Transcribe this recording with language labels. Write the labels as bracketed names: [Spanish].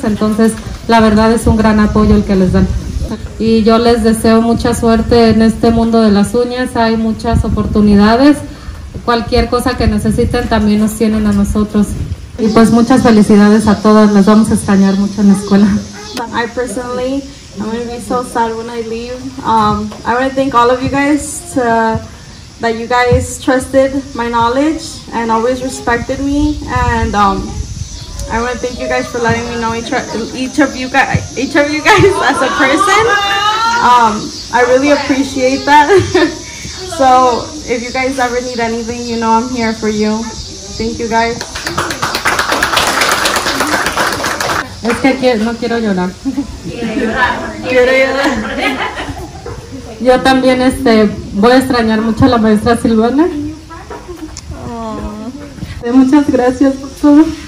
[Spanish] Entonces, la verdad es un gran apoyo el que les dan. Y yo les deseo mucha suerte en este mundo de las uñas. Hay muchas oportunidades. Cualquier cosa que necesiten también nos tienen a nosotros. Y pues muchas felicidades a todas. Les vamos a extrañar mucho en la escuela. [English] I personally, I'm going to be so sad when I leave. I want to thank all of you guys that you guys trusted my knowledge and always respected me. And I want to thank you guys for letting me know each of you guys as a person. I really appreciate that. So if you guys ever need anything, you know I'm here for you. Thank you guys. [Spanish] Es que aquí, no quiero llorar. Quiero llorar. Yo también voy a extrañar mucho a la maestra Silvana. Muchas gracias por todo.